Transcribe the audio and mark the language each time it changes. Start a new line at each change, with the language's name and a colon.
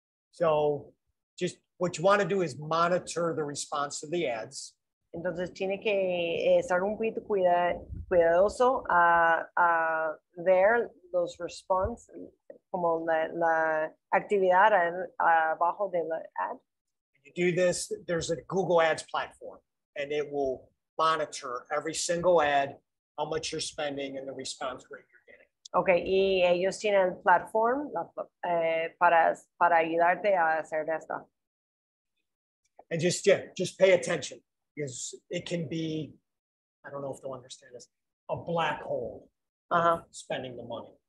English: So just what you want to do is monitor the response to the ads.
Spanish: Entonces tiene que estar un poquito cuidadoso a ver los response como la actividad abajo de la ad.
English: You do this, there's a Google Ads platform, and it will monitor every single ad, how much you're spending, and the response rate you're getting.
Spanish: Okay, y ellos tienen platform para ayudarte a hacer esto.
English: And just pay attention. Because it can be, I don't know if they'll understand this, a black hole spending the money.